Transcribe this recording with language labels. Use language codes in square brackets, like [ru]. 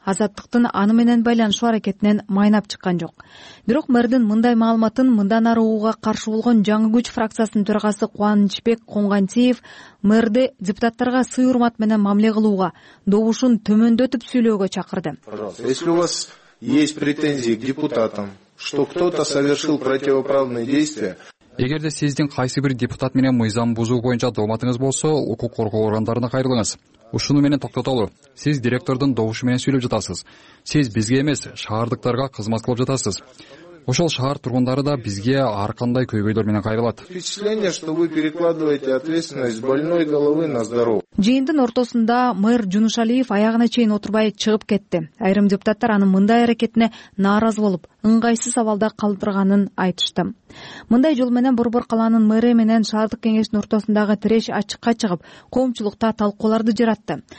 [ky] Азаттыктын аны менен байланышуу аракетинен майнап чыккан жок. Бирок мэрдин мындай маалыматын мындан ары ууга каршы болгон Жаңы күч фракциясынын төрагасы Кубанычбек Конгантиев мэрди депутаттарга сый урмат менен мамиле кылууга, добушун төмөндөтүп сүйлөөгө чакырды. [ru] Пожалуйста, если у вас есть претензии к депутатам, что кто-то совершил противоправные действия, [ky] эгерде сиздин кайсы бир депутат менен мыйзам бузуу боюнча дооматыңыз болсо, укук коргоо органдарына кайрылыңыз. Ушуну менен токтотолу. Сиз директордун добушу менен сүйлөп жатасыз. Сиз бизге эмес, шаардыктарга кызмат кылып жатасыз. Ошол шаар тургундары да бизге ар кандай көйгөйлөр менен кайрылат. [ru] Впечатление, что вы перекладываете ответственность с больной головы на здоровую. [ky] Жыйындын ортосунда мэр Жунушалиев аягына чейин отурбай чыгып кетти. Айрым депутаттар анын мындай аракетине нааразы болуп, ыңгайсыз абалда калтырганын айтышты. Мындай жол менен Борбор калаанын мэри менен шаардык кеңештин ортосундагы тиреш ачыкка чыгып, коомчулукта талкууларды жаратты.